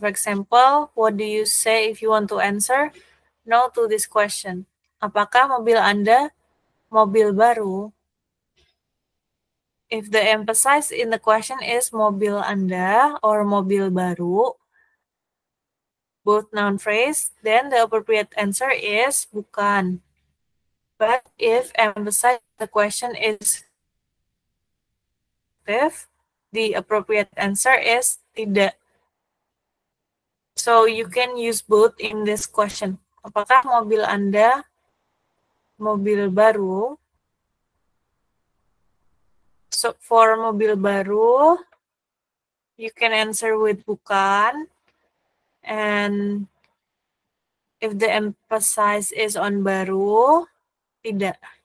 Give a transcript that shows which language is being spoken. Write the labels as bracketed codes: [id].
[en] For example, what do you say if you want to answer no to this question? [id] Apakah mobil Anda mobil baru? [en] If the emphasis in the question is mobil Anda or mobil baru, both noun phrase, then the appropriate answer is bukan. But if emphasis the question is if the appropriate answer is tidak. So you can use both in this question. [id] Apakah mobil Anda mobil baru? [en] So for mobil baru, you can answer with bukan. And if the emphasis is on baru, tidak.